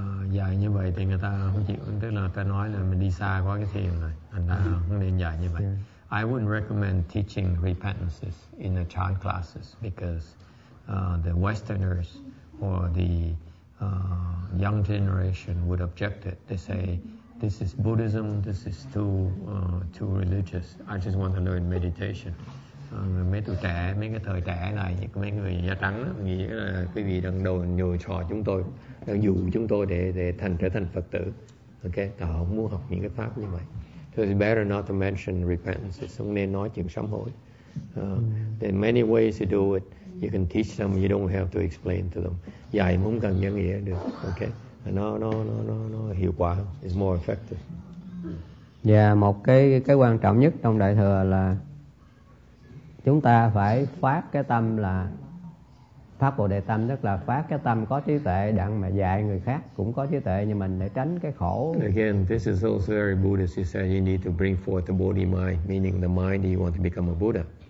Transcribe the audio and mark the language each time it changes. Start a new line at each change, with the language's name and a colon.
Vietnamese: Dài như vậy thì người ta không chịu, tức là ta nói là mình đi xa quá cái thiền rồi, thành ra không nên dài như vậy.
English: I wouldn't recommend teaching repentances in the chant classes because the Westerners or the young generation would object it. They say this is Buddhism, this is too religious. I just want to learn meditation.
Vietnamese: Mấy tuổi trẻ, mấy cái thời trẻ này, mấy người da trắng đó, nghĩ là quý vị đang đồ nhồi trò chúng tôi, đang dụ chúng tôi để trở thành Phật tử. Ok, họ không muốn học những cái pháp như vậy.
English: So it's better not to mention repentance.
Vietnamese: Không nên nói chuyện sám hối.
English: There are many ways to do it. You can teach them, you don't have to explain to them.
Vietnamese: Dạy mà không cần nhân nghĩa được. Ok, nó hiệu quả.
English: It's more effective.
Vietnamese: Và một cái quan trọng nhất trong Đại Thừa là chúng ta phải phát cái tâm là phát Bồ Đề tâm, tức là phát cái tâm có trí tuệ đặng mà dạy người khác cũng có trí tuệ như mình để tránh cái khổ.
English: Again, this is also very Buddhist. You said you need to bring forth the Bodhi mind, meaning the mind you want to become a Buddha.